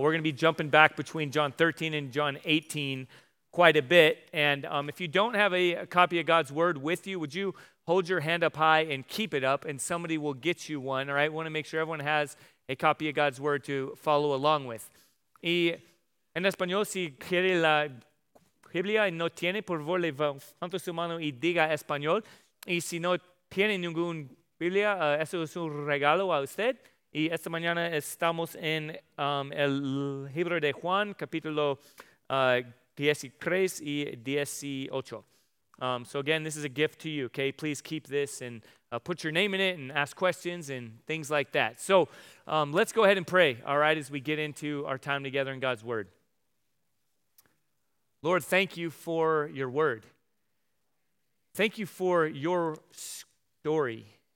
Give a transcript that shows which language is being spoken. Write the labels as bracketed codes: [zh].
[en] We're going to be jumping back between John 13 and John 18 quite a bit. And if you don't have a copy of God's word with you, would you hold your hand up high and keep it up, and somebody will get you one, all right? We want to make sure everyone has a copy of God's word to follow along with. [es] Y en español, si quiere la Biblia y no tiene, por favor, levante su mano y diga español. Y si no tiene ninguna Biblia, eso es un regalo a usted. Y esta mañana estamos en el libro de Juan, capítulo 13 y 18. [en] So again, this is a gift to you, okay? Please keep this and put your name in it and ask questions and things like that. So let's go ahead and pray, all right, as we get into our time together in God's word. Lord, thank you for your word. Thank you for your story.